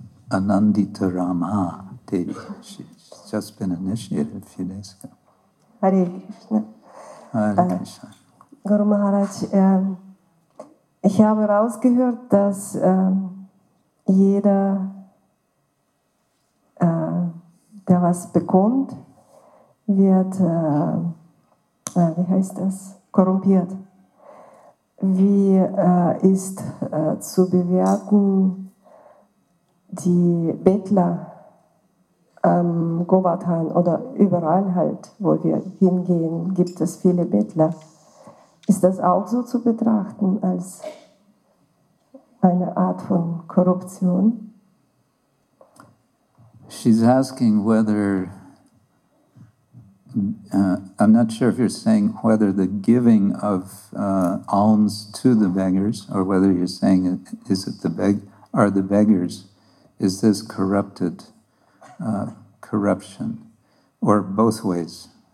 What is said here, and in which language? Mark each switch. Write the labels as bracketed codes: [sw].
[en] Anandita Rama Devi. She's just been initiated a few days ago. Hare Krishna. Hare Krishna. [de] Guru Maharaj, ich habe rausgehört, dass jeder, der was bekommt, wird, wie heißt das, korrumpiert. Wie ist zu bewerten die Bettler, Govardhan oder überall halt, wo wir hingehen, gibt es viele Bettler. Ist das auch so zu betrachten als eine Art von Korruption? [en] She's asking whether, I'm not sure if you're saying whether the giving of alms to the beggars, or whether you're saying, are the beggars, is this corrupted corruption, or both ways?